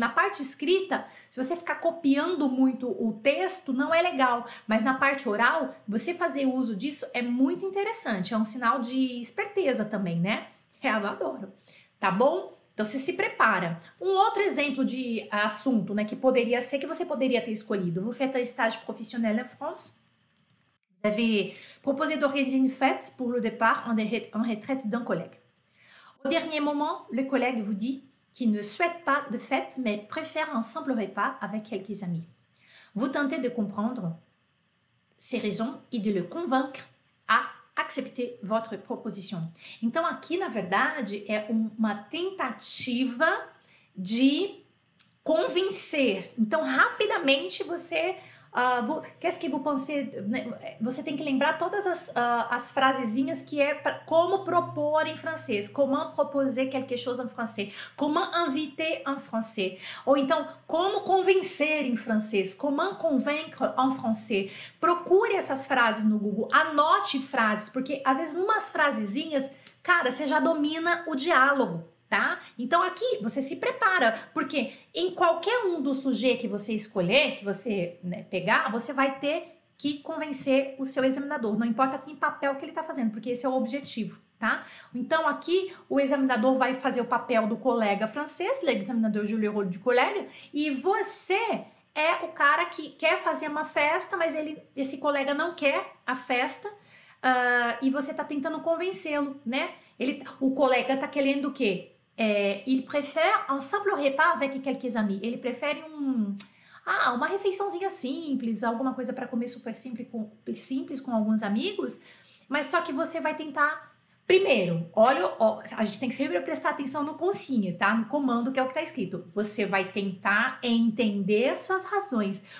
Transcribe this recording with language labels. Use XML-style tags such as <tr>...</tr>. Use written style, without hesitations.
<pt>Na parte escrita, se você ficar copiando muito o texto, não é legal, mas na parte oral, você fazer uso disso é muito interessante. É um sinal de esperteza também, né? É, eu adoro. Tá bom? Então você se prepara. Um outro exemplo de assunto, né, que poderia ser que você poderia ter escolhido.</pt> <fr>Vous faites un stage professionnel en France? Vous avez proposé d'organiser une fête pour le départ en retraite d'un collègue. Au dernier moment, le collègue vous dit qu'il ne souhaite pas de fête, mais préfère un simple repas avec quelques amis. Vous tentez de comprendre ses raisons et de le convaincre à accepter votre proposition.</fr> <pt>Então, aqui, na verdade, é uma tentativa de convencer. Então, rapidamente, você...</pt> <fr>Qu'est-ce que vous pensez, né?</fr> <pt>Você tem que lembrar todas as frasezinhas que é pra, como propor em francês.</pt> <fr>Comment proposer quelque chose en français? Comment inviter en français?</fr> <pt>Ou então, como convencer em francês?</pt> <fr>Comment convaincre en français?</fr> <pt>Procure essas frases no Google. Anote frases, porque às vezes umas frasezinhas, cara, você já domina o diálogo. Tá? Então aqui você se prepara, porque em qualquer um do sujeito que você escolher, que você, né, pegar, você vai ter que convencer o seu examinador, não importa que papel que ele está fazendo, porque esse é o objetivo, tá? Então aqui o examinador vai fazer o papel do colega francês,</pt> <fr>l'examinateur joue le rôle du collègue,</fr> <pt>e você é o cara que quer fazer uma festa, mas esse colega não quer a festa, e você está tentando convencê-lo, né? O colega está querendo o quê?</pt> <fr>Il préfère un simple repas avec quelques amis.</fr> <pt>Ele prefere uma refeiçãozinha simples, alguma coisa para comer super simples com alguns amigos. Mas só que você vai tentar primeiro. A gente tem que sempre prestar atenção no consigne, tá? No comando que é o que está escrito. Você vai tentar entender suas razões.</pt>